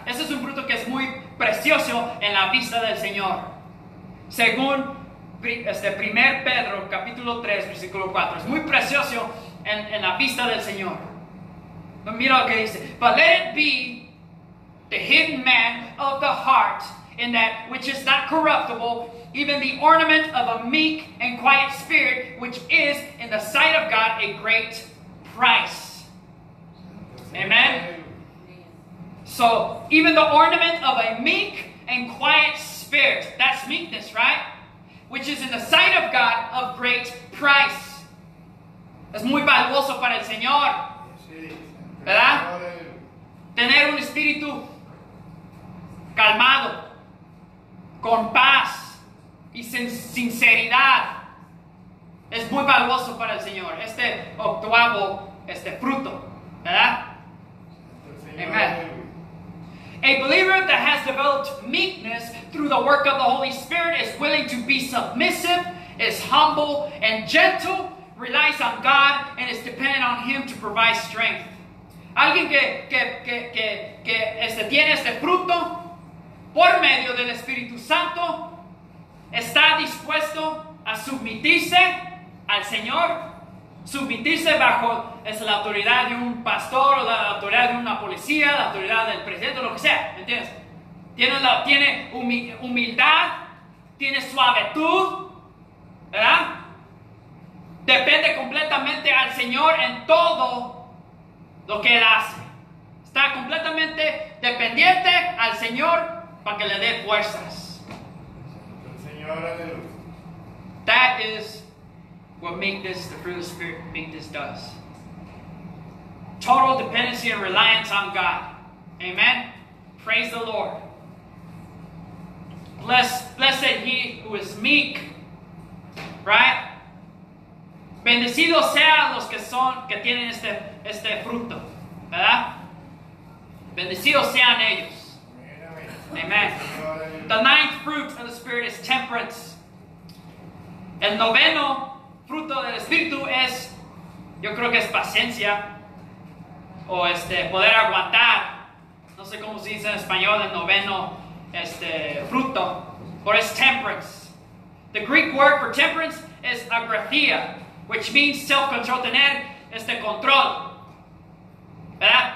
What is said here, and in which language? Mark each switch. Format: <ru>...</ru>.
<es>Ese es un fruto que es muy precioso en la vista del Señor. Según 1 Pedro capítulo 3, versículo 4, es muy precioso en la vista del Señor.</es> <en>But</en> <es>mira lo que dice.</es> <en>But let it be the hidden man of the heart, in that which is not corruptible, even the ornament of a meek and quiet spirit, which is in the sight of God a great price. Amen. So even the ornament of a meek and quiet spirit, that's meekness, right? Which is in the sight of God of great price.</en> <es>Es muy valioso para el Señor. ¿Verdad? Tener un espíritu calmado, con paz y sinceridad es muy valioso para el Señor. Este octavo, este fruto, ¿verdad? Amen.</es> <en>A believer that has developed meekness through the work of the Holy Spirit is willing to be submissive, is humble and gentle, relies on God, and is dependent on Him to provide strength.</en> <es>Alguien que tiene este fruto por medio del Espíritu Santo está dispuesto a sumitirse al Señor Submitirse bajo es la autoridad de un pastor, o la autoridad de una policía, la autoridad del presidente, lo que sea, ¿me entiendes? Tiene humildad, tiene suavitud, ¿verdad? Depende completamente al Señor en todo lo que Él hace. Está completamente dependiente al Señor para que le dé fuerzas. Señor,</es> <en>that is what make this, the fruit of the Spirit, make this does. Total dependency and reliance on God. Amen? Praise the Lord. Blessed he who is meek. Right?</en> <es>Bendecidos sean los que son, que tienen este fruto. ¿Verdad? Bendecidos sean ellos. Amen.</es> <en>The ninth fruit of the Spirit is temperance.</en> <es>El noveno fruto del Espíritu es, yo creo que es paciencia, o poder aguantar. No sé cómo se dice en español el noveno fruto, pero es temperance.</es> <en>The Greek word for temperance is agrathia, which means self-control,</en> <es>tener control, ¿verdad?</es>